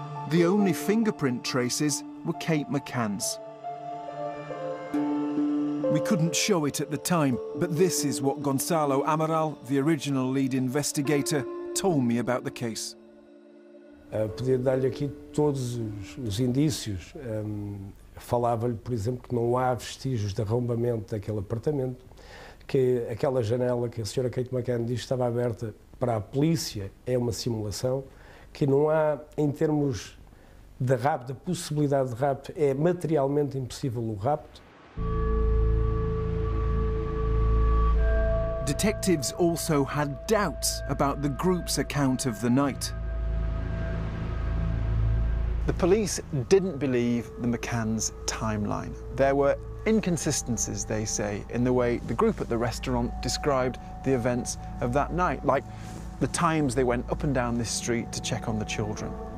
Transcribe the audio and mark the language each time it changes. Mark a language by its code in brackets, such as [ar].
[en] The only fingerprint traces were Kate McCann's. We couldn't show it at the time, but this is what Gonçalo Amaral, the original lead investigator, told me about the case. [pt] Podia dar-lhe aqui todos os indícios. Falava-lhe, por exemplo, que não há vestígios de arrombamento daquele apartamento, que aquela janela que a senhora Kate McCann diz estava aberta para a polícia é uma simulação, que não há, em termos de rapto, de possibilidade de rapto, é materialmente impossível o rapto. [en] Detectives also had doubts about the group's account of the night. The police didn't believe the McCann's timeline. There were inconsistencies, they say, in the way the group at the restaurant described the events of that night, like the times they went up and down this street to check on the children.